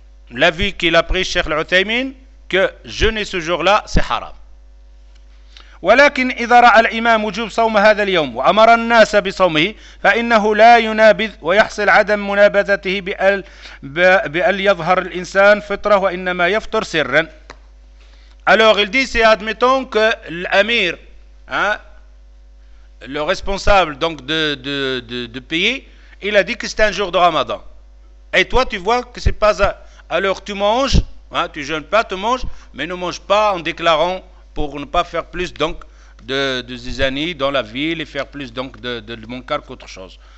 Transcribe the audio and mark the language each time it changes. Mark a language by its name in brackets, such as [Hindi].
[French] L'avis qu'il a pris, Cheikh Al-Uthaymin, que jeûner ce jour-là, c'est haram. [Arabic] ولكن إذا رأى الإمام وجوب صوم هذا اليوم وأمر الناس بصومه فإنه لا ينابذ ويحصل عدم منابذته بأل يظهر الإنسان فطرة وإنما يفطر سرا. [French] Alors il dit, c'est admettons que l'amir, le responsable donc de pays, il a dit que c'est un jour de Ramadan. Et toi tu vois que c'est pas alors tu manges, tu jeûnes pas, tu manges, mais ne mange pas en déclarant pour ne pas faire plus donc de zizanie dans la ville et faire plus donc de mankar qu'autre chose.